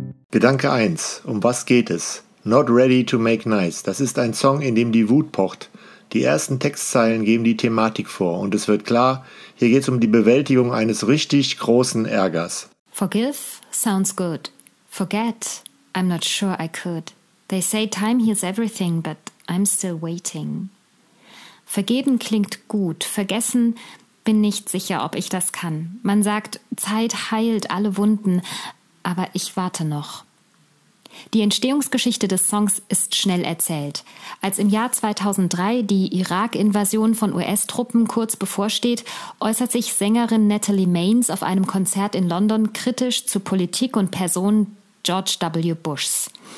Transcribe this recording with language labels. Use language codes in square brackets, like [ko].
[de] Gedanke 1, um was geht es? Not Ready to Make Nice, das ist ein Song, in dem die Wut pocht. Die ersten Textzeilen geben die Thematik vor und es wird klar, hier geht's um die Bewältigung eines richtig großen Ärgers. [en] Forgive sounds good. Forget, I'm not sure I could. They say time heals everything, but I'm still waiting. [de] Vergeben klingt gut, vergessen bin nicht sicher, ob ich das kann. Man sagt, Zeit heilt alle Wunden, aber ich warte noch. Die Entstehungsgeschichte des Songs ist schnell erzählt. Als im Jahr 2003 die Irak-Invasion von US-Truppen kurz bevorsteht, äußert sich Sängerin Natalie Maines auf einem Konzert in London kritisch zu Politik und Person George W. Bushs.